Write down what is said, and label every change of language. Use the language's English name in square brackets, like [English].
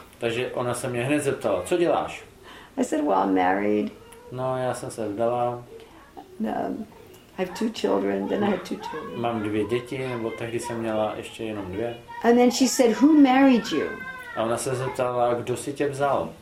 [Czech] Takže ona se mě hned zeptala, co děláš? [English] I said, well, I'm married. [Czech] No, já jsem se vdala. [English] I have two children, then I have two children. [Czech] Mám dvě děti, nebo tehdy jsem měla ještě jenom dvě. [English] And then she said, who married you? [Czech] A ona se zeptala, kdo si tě vzal?